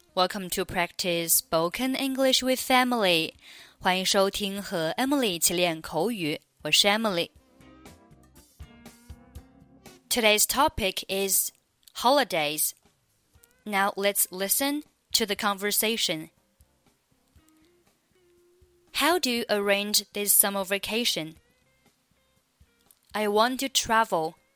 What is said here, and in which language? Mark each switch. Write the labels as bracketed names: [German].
[English] Welcome to practice spoken English with Emily. [Chinese] 欢迎收听和 Emily 一起练口语。 [English] 我是 Emily. Today's topic is holidays. Now let's listen to the conversation. How do you arrange this summer vacation? I want to travel.